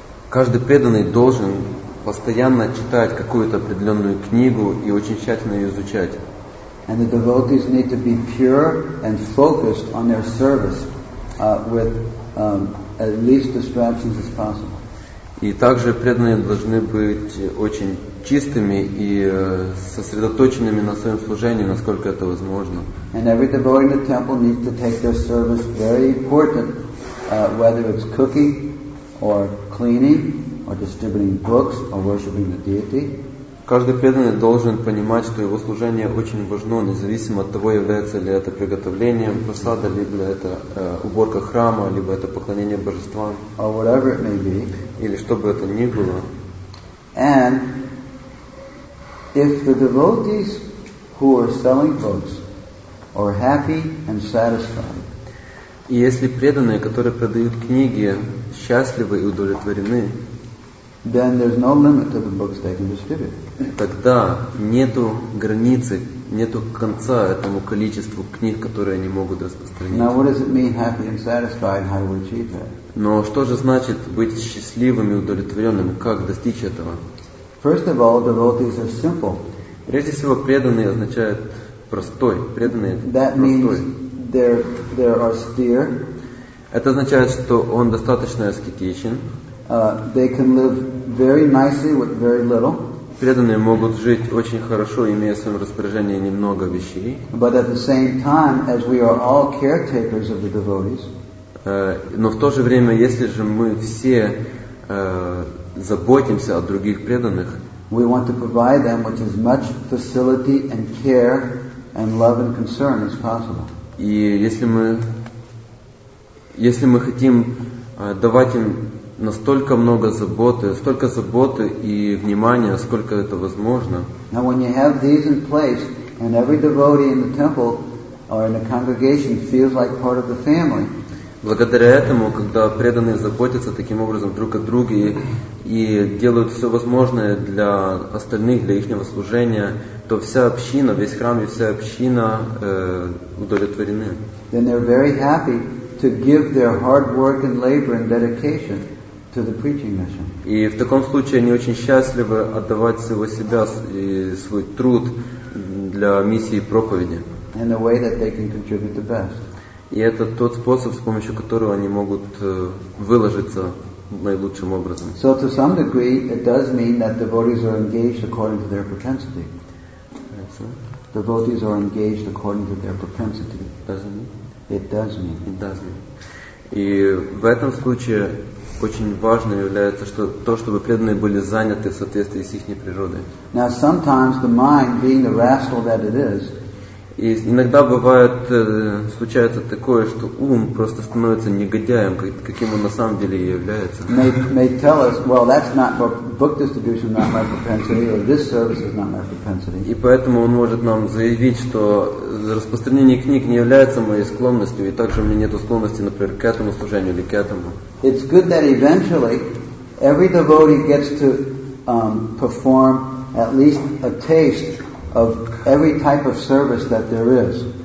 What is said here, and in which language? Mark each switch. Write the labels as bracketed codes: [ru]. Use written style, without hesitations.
[ru] Каждый преданный должен постоянно читать какую-то определенную книгу и очень тщательно ее изучать. [en] And the devotees need to be pure and focused on their service with at least distractions as possible. [ru] И также преданные должны быть очень чистыми и сосредоточенными на своем служении, насколько это возможно. [en] And every devotee in the temple needs to take their service very important, whether it's cooking or cleaning or distributing books or worshiping the deity. [ru] Каждый преданный должен понимать, что его служение очень важно, независимо от того, является ли это приготовлением просада, либо это уборка храма, либо это поклонение божествам, [en] or whatever it may be. [ru] Или что бы это ни было. [en] And if the devotees who are selling books are happy and satisfied, [ru] и если преданные, которые продают книги, счастливы и удовлетворены, [en] then there's no limit to the books they can distribute. [ru] Тогда нету границы, нету конца этому количеству книг, которые они могут распространить. [en] Now, what does it mean, happy and satisfied? How do we achieve that? [ru] Но что же значит быть счастливым и удовлетворенным? Как достичь этого? [en] First of all, devotees are simple. [ru] Прежде всего, преданный означает простой. Преданный [en] that [ru] простой. [en] Means they're austere. [ru] Это означает, что он достаточно аскетичен. [en] They can live very nicely with very little. [ru] Преданные могут жить очень хорошо, имея в своем распоряжении немного вещей. [en] But at the same time, as we are all caretakers of the devotees, [ru] но в то же время, если же мы все заботимся о других преданных, [en] we want to provide them with as much facility and care and love and concern as possible. [ru] И если мы хотим давать им настолько много заботы, столько заботы и внимания, сколько это возможно. [en] Now, when you have these in place, and every devotee in the temple or in the congregation feels like part of the family. [ru] Благодаря этому, когда преданные заботятся таким образом друг о друге и делают все возможное для остальных, для их служения, то вся община, весь храм и вся община удовлетворены. [en] Then they're very happy to give their hard work and labor and dedication to the preaching mission. [ru] И в таком случае они очень счастливы отдавать всего себя и свой труд для миссии проповеди. [en] In a way that they can contribute the best. [ru] И это тот способ, с помощью которого они могут выложиться наилучшим образом. [en] So to some degree, it does mean that devotees are engaged according to their propensity. Devotees are engaged according to their propensity. It does mean. [ru] И в этом случае очень важно является что, то, чтобы преданные были заняты в соответствии с их природой. [en] Now sometimes the mind, being the rascal that it is, [ru] и иногда бывает, случается такое, что ум просто становится негодяем, каким он на самом деле и является. [en] May tell us, well, that's not for book distribution, not my propensity, or this service is not my propensity. [ru] И поэтому он может нам заявить, что распространение книг не является моей склонностью, и также у меня нету склонности, например, к этому служению или к этому. [en] It's good that eventually every devotee gets to perform at least a taste of every type of service that there is.